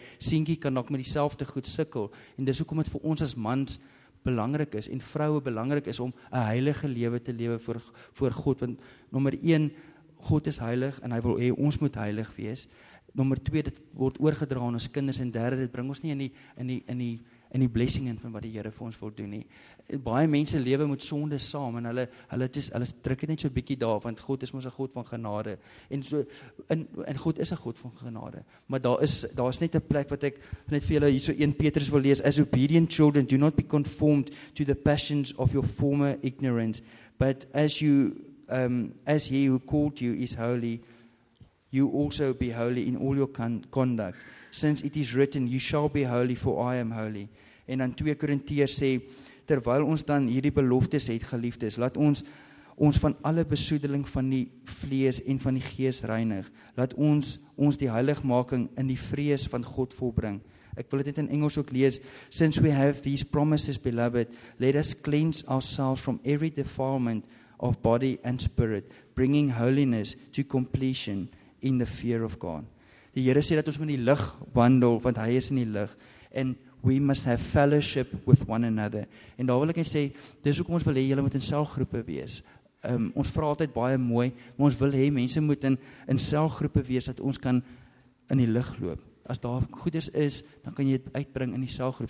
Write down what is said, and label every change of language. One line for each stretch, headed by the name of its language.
Afrikaans: Sy seentjie kan ook met dieselfde goed sukkel en dis hoekom dit vir ons as mans belangrik is en vroue belangrik is om 'n heilige lewe te lewe voor God, want nommer 1 God is heilig en hy wil hê ons moet heilig wees. Nommer 2 dit word oorgedra aan ons kinders en derde dit bring ons nie in die blessing in van wat die Here vir ons wil doen nie. Baie mense lewe met sonde saam en hulle druk dit net so 'n bietjie daar want God is mos 'n God van genade. En so in God is 'n God van genade. Maar daar is net 'n plek wat ek net vir julle hierso 1 Petrus wil lees:
English: As obedient children, do not be conformed to the passions of your former ignorance, but as you as he who called you is holy, you also be holy in all your conduct. Since it is written, you shall be holy, for I am holy.
Afrikaans: En dan 2 Korintiërs sê, terwyl ons dan hierdie beloftes het, geliefdes, laat ons van alle besoedeling van die vlees en van die gees reinig. Laat ons die heiligmaking in die vrees van God volbring. Ek wil dit in Engels ook lees.
English: Since we have these promises, beloved, let us cleanse ourselves from every defilement of body and spirit, bringing holiness to completion in the fear of God.
Afrikaans: Die Here sê dat ons met die lig wandel, want hy is in die lig.
English: And we must have fellowship with one another.
Afrikaans: En daar wil ek net sê, dis hoekom ons wil hê julle moet in selgroepe wees. Ons vra altyd baie mooi, maar ons wil hê mense moet in selgroepe wees, dat ons kan in die lig loop. As daar goeders is, dan kan jy dit uitbring in die selgroep.